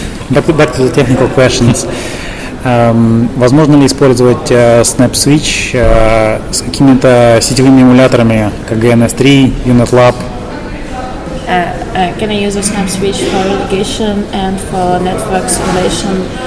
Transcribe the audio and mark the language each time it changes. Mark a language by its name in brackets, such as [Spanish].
[English] Back to the technical questions. [Russian] Возможно ли использовать SnapSwitch с какими-то сетевыми эмуляторами, как GNS3, UNetLab? [English] Can I use a SnapSwitch for relocation and for network simulation?